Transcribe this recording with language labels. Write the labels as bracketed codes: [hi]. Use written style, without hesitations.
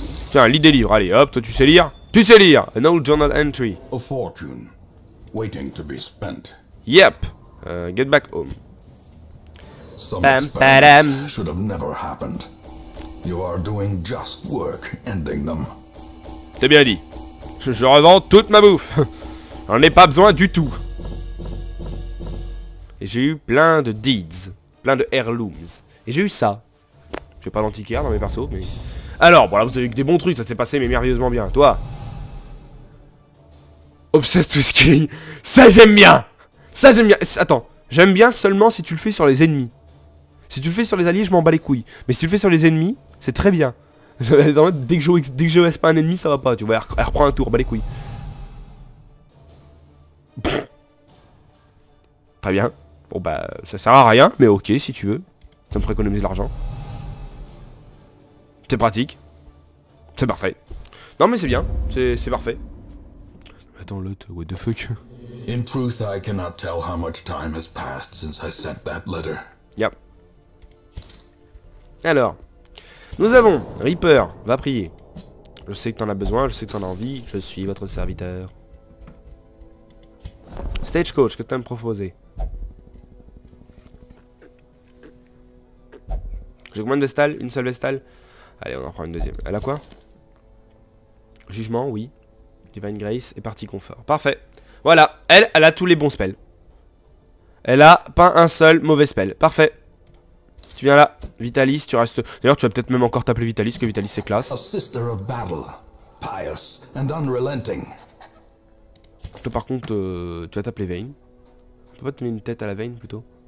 [fr] Tiens, lis des livres, allez, hop, toi tu sais lire. Tu sais lire. [en] An old journal entry. A fortune waiting to be spent. Yep. Get back home. Some experiments should have never happened. You are doing just work ending them. [fr] T'as bien dit. Je revends toute ma bouffe. J'en ai pas besoin du tout. Et j'ai eu plein de deeds. Plein de heirlooms. Et j'ai eu ça. J'ai pas d'antiquaire dans mes persos, mais... Alors, bon là, vous avez eu que des bons trucs, ça s'est passé, mais merveilleusement bien. Toi. Obsessed Whiskey. Ça, j'aime bien. Ça, j'aime bien. Attends. J'aime bien seulement si tu le fais sur les ennemis. Si tu le fais sur les alliés, je m'en bats les couilles. Mais si tu le fais sur les ennemis, c'est très bien. Dès que je reste pas un ennemi, ça va pas. Tu vois, elle reprend un tour, bats les couilles. Pff. Très bien. Bon, bah, ça sert à rien, mais ok, si tu veux. Ça me ferait économiser l'argent. C'est pratique. C'est parfait. Non mais c'est bien. C'est parfait. Attends l'autre, [en] what the fuck. In truth, I cannot tell how much time has passed since I sent that letter. Yep. [fr] Alors, nous avons Reaper, va prier. Je sais que t'en as besoin, je sais que t'en as envie, je suis votre serviteur. Stagecoach, que t'as me proposé? J'ai combien de vestales? Une seule vestale? Allez, on en prend une deuxième. Elle a quoi? Jugement, oui. Divine Grace et partie confort. Parfait. Voilà. Elle a tous les bons spells. Elle a pas un seul mauvais spell. Parfait. Tu viens là. Vitalis, tu restes... D'ailleurs, tu vas peut-être même encore t'appeler Vitalis, parce que Vitalis, c'est classe. [en] A sister of battle, pious and unrelenting. [fr] Toi, par contre, tu vas t'appeler Vayne. Tu peux pas te mettre une tête à la Vayne, plutôt?